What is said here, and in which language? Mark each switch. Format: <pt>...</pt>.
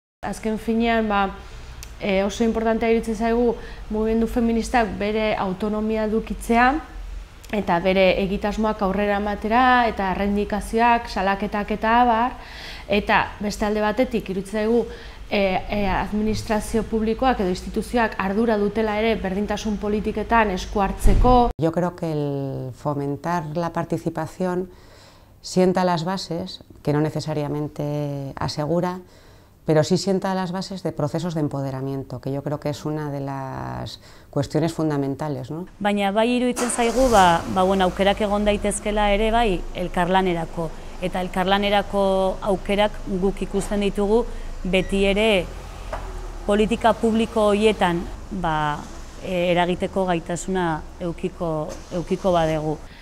<eu>Azken finean oso importantea iruditzen zaigu mugimendu feministak bere autonomia edukitzea eta bere egitasmoak aurrera ematera eta errendikazioak, salaketak eta abar, eta beste alde batetik iruditzen zaigu administrazio publikoak edo instituzioak ardura dutela ere berdintasun politiketan esku hartzeko.</eu> <es>Yo creo que el fomentar la participación sienta las bases, que no necesariamente asegura, pero sí sienta las bases de procesos de empoderamiento, que yo creo que es una de las cuestiones fundamentales, ¿no?</es> <eu>Baina bai iruditzen zaigu bueno, aukerak egon daitezkela ere bai elkarlanerako, eta elkarlanerako aukerak guk ikusten ditugu beti ere politika publiko hoietan eragiteko gaitasuna eukiko badegu.</eu>